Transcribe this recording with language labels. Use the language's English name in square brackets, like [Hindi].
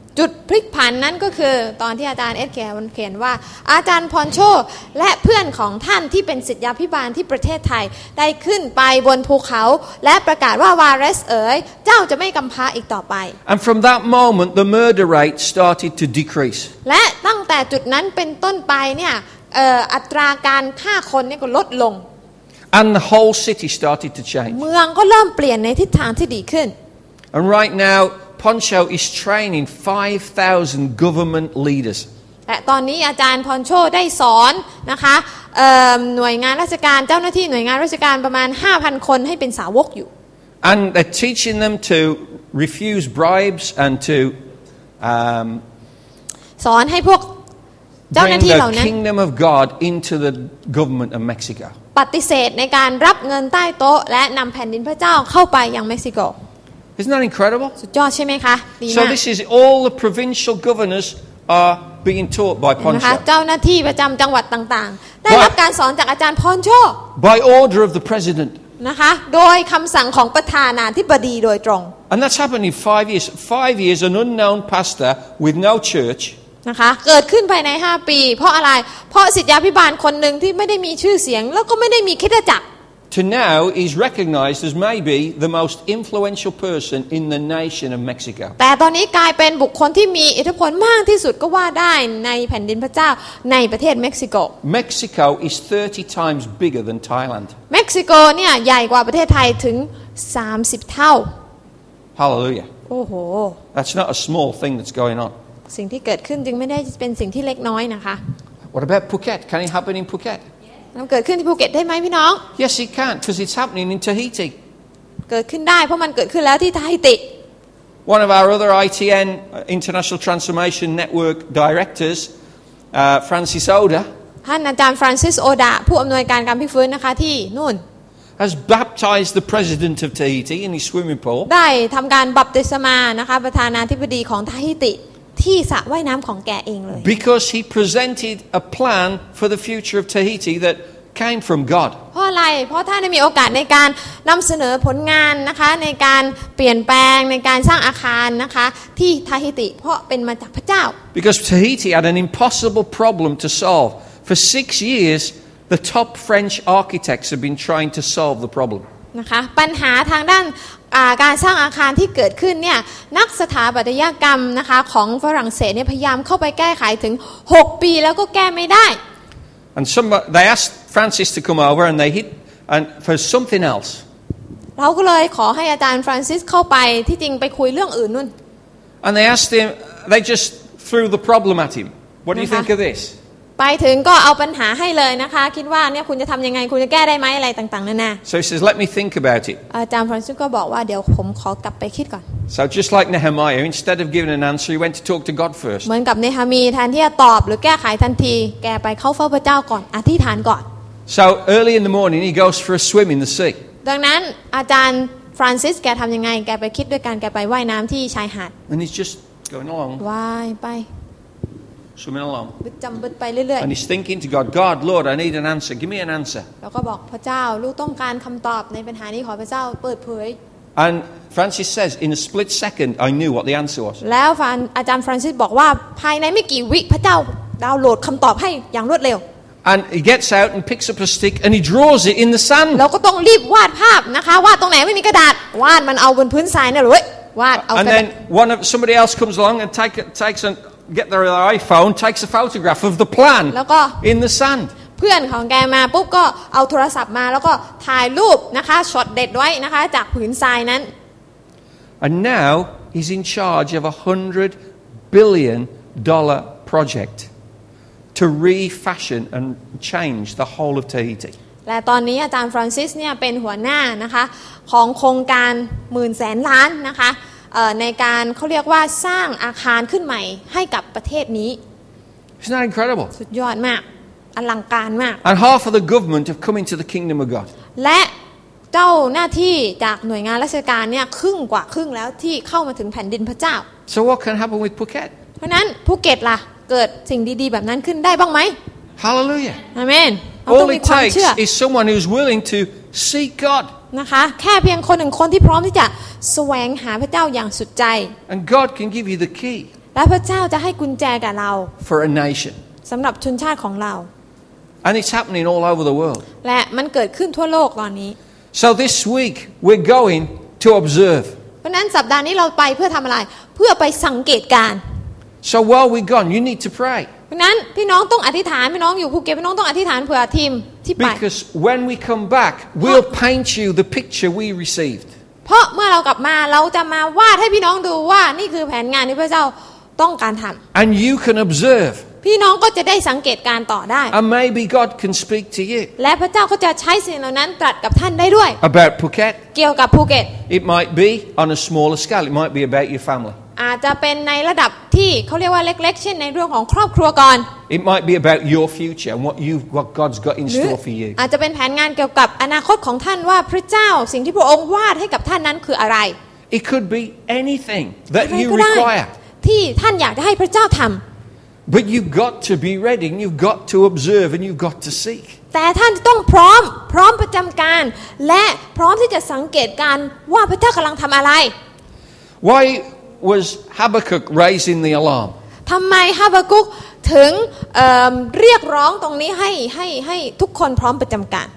[Thai] จุดพลิกผันนั้นก็คือตอนที่อาจารย์เอ็ดแกเขียนว่าอาจารย์พอนโชและเพื่อนของท่านที่เป็นศิษยาภิบาลที่ประเทศไทยได้ขึ้นไปบนภูเขาและประกาศว่าวาเรสเอ๋ยเจ้าจะไม่กำพร้าอีกต่อไป [English] And from that moment the murder rate started to decrease [Thai] และตั้งแต่จุดนั้นเป็นต้นไปเนี่ยอัตราการฆ่าคนเนี่ยก็ลดลง [English] And the whole city started to change [Thai] เมืองก็เริ่มเปลี่ยนในทิศทางที่ดีขึ้น [English] And right nowPoncho is training 5,000 government leaders. [Thai] และตอนนี้อาจารย์พอนโชได้สอนนะคะหน่วยงานราชการเจ้าหน้าที่หน่วยงานราชการประมาณ 5,000 คนให้เป็นสาวกอยู่ [English] And they're teaching them to refuse bribes and to [Thai] สอนให้พวกเจ้าหน้าที่เหล่านั้น [English] Bring the kingdom of God into the government of Mexico. [Thai] ปฏิเสธในการรับเงินใต้โต๊ะและนำแผ่นดินพระเจ้าเข้าไปยังเม็กซิโก [English] Isn't that incredible? [Thai] สุดยอดใช่ไหมคะ [English] So this is all the provincial governors are being taught by Poncho. [Thai] เจ้าหน้าที่ประจำจังหวัดต่างๆได้รับการสอนจากอาจารย์พอนโช [English] By order of the president. [Thai] นะคะโดยคำสั่งของประธานาธิบดีโดยตรง [English] And that's happened in 5 years. 5 years, an unknown pastor with no church. [Thai] นะคะเกิดขึ้นภายใน5 ปีเพราะอะไรเพราะศิษยาภิบาลคนหนึ่งที่ไม่ได้มีชื่อเสียงแล้วก็ไม่ได้มีคริสตจักร [English] To now, he's recognized as maybe the most influential person in the nation of Mexico. [Thai] แต่ตอนนี้กลายเป็นบุคคลที่มีอิทธิพลมากที่สุดก็ว่าได้ในแผ่นดินพระเจ้าในประเทศเม็กซิโก [English] Mexico is 30 times bigger than Thailand. [Thai] เม็กซิโกเนี่ยใหญ่กว่าประเทศไทยถึง30เท่า [English] Hallelujah. [Thai] โอ้โห [English] That's not a small thing that's going on. [Thai] สิ่งที่เกิดขึ้นจึงไม่ได้เป็นสิ่งที่เล็กน้อยนะคะ [English] What about Phuket? Can it happen in Phuket? [Thai] มันเกิดขึ้นที่ภูเก็ตได้ไหมพี่น้อง [English] Yes it can because it's happening in Tahiti [Thai] เกิดขึ้นได้เพราะมันเกิดขึ้นแล้วที่ทาฮิติ [English] One of our other ITN International Transformation Network directors Francis Oda [Thai] ท่านอาจารย์ Francis Oda ผู้อำนวยการการพลิกฟื้นนะคะที่นู่น [English] has baptized the president of Tahiti in his swimming pool [Thai] ได้ทำการบัพติศมานะคะประธานาธิบดีของทาฮิติที่สระว่ายน้ำของแกเองเลย [English] Because he presented a plan for the future of Tahiti that came from God. [Thai] เพราะอะไรเพราะท่านได้มีโอกาสในการนำเสนอผลงานนะคะในการเปลี่ยนแปลงในการสร้างอาคารนะคะที่ทาฮิติเพราะเป็นมาจากพระเจ้า [English] Because Tahiti had an impossible problem to solve. For 6 years the top French architects have been trying to solve the problem. [Thai] นะคะปัญหาทางด้านการสร้างอาคารที่เกิดขึ้นเนี่ยนักสถาปัตยกรรมนะคะของฝรั่งเศสเนี่ยพยายามเข้าไปแก้ไขถึง6ปีแล้วก็แก้ไม่ได้ [English] And some they asked Francis to come over, and they hit and for something else. [Thai] เราก็เลยขอให้อาจารย์ฟรานซิสเข้าไปที่จริงไปคุยเรื่องอื่นนู่น [English] And they asked him. They just threw the problem at him. What do you think of this? [Thai] ไปถึงก็เอาปัญหาให้เลยนะคะคิดว่าเนี่ยคุณจะทำยังไงคุณจะแก้ได้ไหมอะไรต่างๆนั่นน่ะ [English] So he says, "Let me think about it." [Thai] อาจารย์ฟรานซิสก็บอกว่าเดี๋ยวผมขอกลับไปคิดก่อน [English] So just like Nehemiah, instead of giving an answer, he went to talk to God first. [Thai] เหมือนกับเนฮามีแทนที่จะตอบหรือแก้ไขทันทีแกไปเข้าเฝ้าพระเจ้าก่อนอธิษฐานก่อน [English] So early in the morning, he goes for a swim in the sea. [Thai] ดังนั้นอาจารย์ฟรานซิสแกทำยังไงแกไปคิดด้วยกันแกไปว่ายน้ำที่ชายหาด [English] And he's just going along. [Thai] ว่ายไป [English] Swimming along. And he's thinking to God, God, Lord, I need an answer. Give me an answer. [Thai] แล้วก็บอกพระเจ้าลูกต้องการคำตอบในปัญหานี้ขอพระเจ้าเปิดเผย [English] And Francis says, in a split second, I knew what the answer was. [Thai] แล้วอาจารย์ฟรานซิสบอกว่าภายในไม่กี่วิพระเจ้าดาวน์โหลดคำตอบให้อย่างรวดเร็ว [English] And he gets out and picks up a stick and he draws it in the sand. [Thai] แล้วก็ต้องรีบวาดภาพนะคะวาดตรงไหนไม่มีกระดาษวาดมันเอาบนพื้นทรายเนี่ยเลยวาดเอา [English] And then one of somebody else comes along and takes an Get their iPhone, takes a photograph of the plan in the sand. [Thai] เพื่อนของแกมาปุ๊บก็เอาโทรศัพท์มาแล้วก็ถ่ายรูปนะคะช็อตเด็ดไว้นะคะจากผืนทรายนั้น [English] And now he's in charge of $100 billion project to refashion and change the whole of Tahiti. [Thai] และตอนนี้อาจารย์ฟรานซิสเนี่ยเป็นหัวหน้านะคะของโครงการหมื่นแสนล้านนะคะในการเขาเรียกว่าสร้างอาคารขึ้นใหม่ให้กับประเทศนี้ [English] Isn't that incredible? [Thai] สุดยอดมากอลังการมาก [English] And half of the government have come into the kingdom of God [Thai] และเจ้าหน้าที่จากหน่วยงานราชการเนี่ยครึ่งกว่าครึ่งแล้วที่เข้ามาถึงแผ่นดินพระเจ้า [English] So what can happen with Phuket? [Thai] เพราะนั้นภูเก็ตล่ะเกิดสิ่งดีๆแบบนั้นขึ้นได้บ้างไหม [English] Hallelujah Amen All it takes is someone who's willing to seek God [Thai] นะคะแค่เพียงคนหนึ่งคนที่พร้อมที่จะแสวงหาพระเจ้าอย่างสุดใจ [English] And God can give you the key [Thai] และพระเจ้าจะให้กุญแจกับเรา [English] For a nation [Thai] สำหรับชนชาติของเรา [English] And it's happening all over the world [Thai] และมันเกิดขึ้นทั่วโลกตอนนี้ [English] So this week we're going to observe [Thai] เพราะนั้นสัปดาห์นี้เราไปเพื่อทำอะไรเพื่อไปสังเกตการ [English] So while we're gone you need to pray [Thai] เพราะนั้นพี่น้องต้องอธิษฐานพี่น้องอยู่ภูเก็ตพี่น้องต้องอธิษฐานเผื่อทีมที่ไป [English] Because when we come back we'll paint you the picture we received [Thai] เพราะเมื่อเรากลับมาเราจะมาวาดให้พี่น้องดูว่านี่คือแผนงานที่พระเจ้าต้องการทำ [English] And you can observe [Thai] พี่น้องก็จะได้สังเกตการต่อได้ [English] And maybe God can speak to you [Thai] และพระเจ้าก็จะใช้สิ่งเหล่านั้นตรัสกับท่านได้ด้วย [English] About Phuket [Thai] เกี่ยวกับภูเก็ต [English] It might be on a smaller scale it might be about your family [Thai] อาจจะเป็นในระดับที่เขาเรียกว่าเล็กๆเช่นในเรื่องของครอบครัวก่อน [English] It might be about your future and what God's got in store for you [Thai] อาจจะเป็นแผนงานเกี่ยวกับอนาคตของท่านว่าพระเจ้าสิ่งที่พระองค์วาดให้กับท่านนั้นคืออะไร [English] It could be anything that you require [Thai] ที่ท่านอยากจะให้พระเจ้าทำ [English] But you've got to be ready and you've got to observe and you've got to seek [Thai] แต่ท่านต้องพร้อมประจำการและพร้อมที่จะสังเกตการว่าพระเจ้ากำลังทำอะไร [English] Why was Habakkuk raising the alarm [Thai] ทำไมฮาบากุกถึง เรียกร้องตรงนี้ให้ทุกคนพร้อมประจำการ